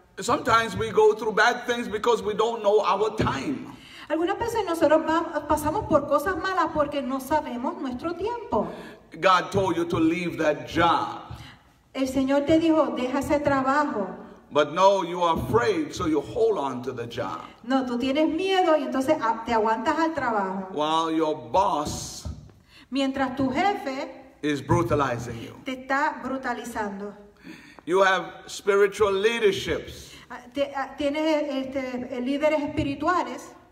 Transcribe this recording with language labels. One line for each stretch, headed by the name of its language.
English: Sometimes we go through bad things because we don't know our time.
Spanish: Algunas veces nosotros pasamos por cosas malas porque no sabemos nuestro tiempo.
English: God told you to leave that job.
Spanish: El Señor te dijo, deja ese trabajo.
English: But no, you are afraid, so you hold on to the job.
Spanish: No, tú tienes miedo y entonces te aguantas al trabajo.
English: While your boss,
Spanish: mientras tu jefe,
English: is brutalizing you.
Spanish: Te está brutalizando.
English: You have spiritual leaderships.
Spanish: Tienes líderes espirituales.